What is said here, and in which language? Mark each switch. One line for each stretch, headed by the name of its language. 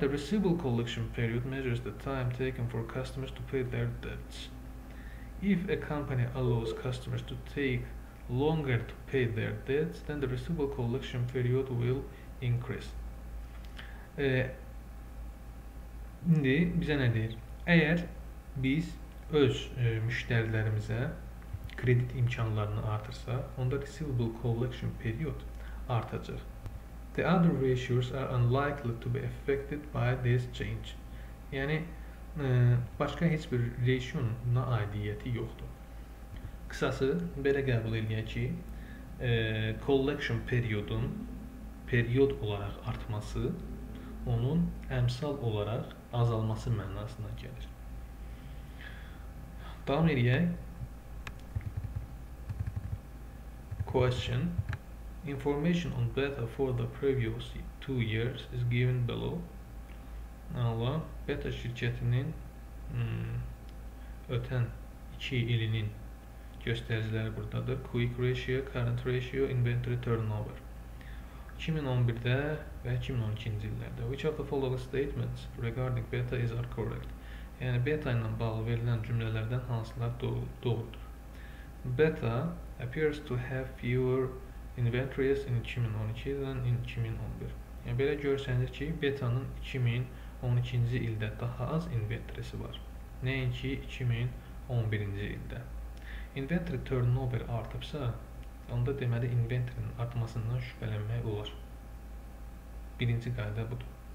English: The receivable collection period measures the time taken for customers to pay their debts. If a company allows customers to take longer to pay their debts, then the receivable collection period will increase.
Azerbaijani: İndi bizə nə deyir? Əgər biz öz müştərilərimizə kredit imkanlarını artırsa, onda receivable collection period artacaq.
English: The other ratios are unlikely to be affected by this change.
Azerbaijani: Yəni, başqa heç bir ratio-na aidiyyəti yoxdur. Qısası, belə qəbul edək ki, collection periodun period olaraq artması onun əmsal olaraq azalması mənasına gəlir. Davam edək.
English: Question. Information on beta for the previous 2 years is given below.
Azerbaijani: Allah, beta şirkətinin ötən 2 ilinin göstəriciləri buradadır. Quick ratio, current ratio, inventory turnover. 2011-də və 2012-ci illərdə.
English: Which of the following statements regarding beta is are correct?
Azerbaijani: Yəni, beta ilə bağlı verilən cümlələrdən hansılar doğrudur?
English: Beta appears to have fewer inventories in 2012 than in 2011.
Azerbaijani: Yəni, belə görsəniz ki, betanın 2012-ci ildə daha az inventorisi var. Nəinki 2011-ci ildə. Inventory turnover artıbsa, onda deməli inventorinin artmasından şübhələnmək olar. Birinci qayda budur.